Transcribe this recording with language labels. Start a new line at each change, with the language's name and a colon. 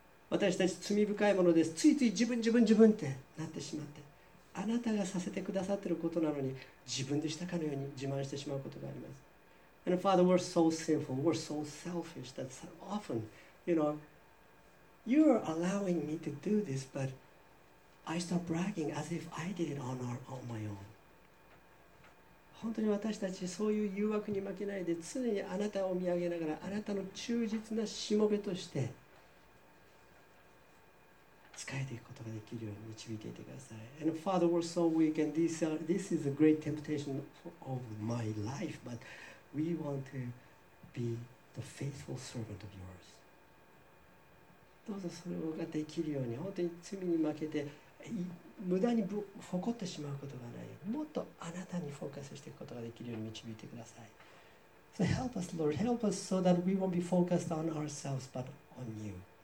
Japanese: 私たち罪深いものです。ついつい自分自分自分ってなってしまって、あなたがさせてくださっていることなのに、自分でしたかのように自慢してしまうことがあります。
English: And Father, we're so sinful, we're so selfish that so often, you know, you're allowing me to do this, but I start bragging as if I did it on my own.
Japanese: 本当に私たちそういう誘惑に負けないで常にあなたを見上げながらあなたの忠実なしもべとして仕えていくことができるように導いていてください。
English: And Father, we're so weak and this is a great temptation of my life, but we want to be the faithful servant of yours.
Japanese: どうぞそれができるように本当に罪に負けて無駄に誇ってしまうことがない。もっとあなたにフォーカスしていくことができるように導いてください。
English: So help us, Lord. Help us so that we won't be focused on ourselves, but on you.